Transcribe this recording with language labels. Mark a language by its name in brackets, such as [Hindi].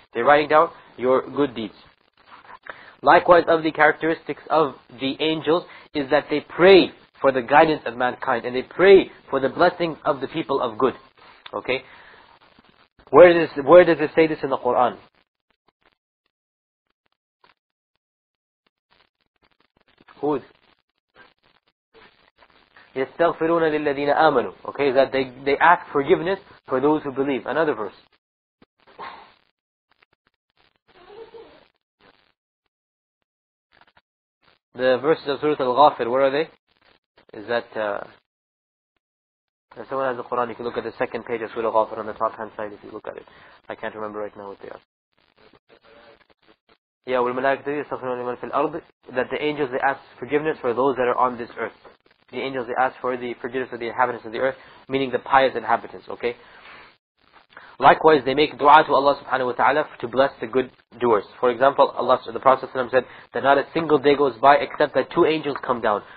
[English] They're writing down your good deeds. Likewise, of the characteristics of the angels, is that they pray for the guidance of mankind, and they pray for the blessing of the people of good. Okay, where does it say this in the Quran? Who's [Arabic] يستغفرون للذين آمنوا? [English] Okay, that they ask forgiveness for those who believe. Another verse. The verses of Surah Al-Ghafir. Where are they? Is that? If someone has the Quran, you can look at the second page of Surah Al-Ghafir on the top hand side if you look at it. I can't remember right now what they are. [Arabic] Yeah, وَالْمَلَائِكَةُ يَسْتَغْفِرُونَ لِمَنْ فِي الْأَرْضِ. [English] That the angels, they ask forgiveness for those that are on this earth. The angels, they ask for the forgiveness of the inhabitants of the earth, meaning the pious inhabitants, okay? Likewise, they make dua to Allah subhanahu wa ta'ala to bless the good doers. For example, Allah, the Prophet ﷺ said that not a single day goes by except that two angels come down.